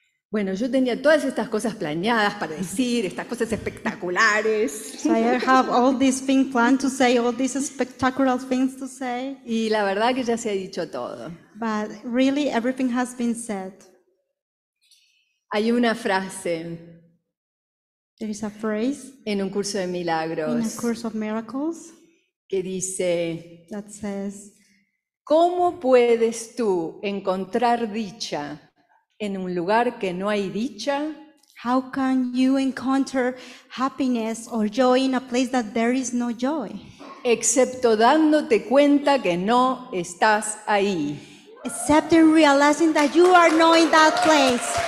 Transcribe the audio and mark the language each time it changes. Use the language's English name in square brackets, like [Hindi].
[Spanish] Bueno, yo tenía todas estas cosas planeadas para decir, estas cosas espectaculares. [English] So I have all these things planned to say, all these spectacular things to say. [Spanish] Y la verdad que ya se ha dicho todo. [English] But really, everything has been said. [Spanish] Hay una frase. [English] There is a phrase. [Spanish] En un curso de milagros. [English] In a course of miracles. [Spanish] Que dice. [English] That says. [Spanish] ¿Cómo puedes tú encontrar dicha en un lugar que no hay dicha? [English] How can you encounter happiness or joy in a place that there is no joy? [Spanish] Excepto dándote cuenta que no estás ahí. [English] Except in realizing that you are not in that place.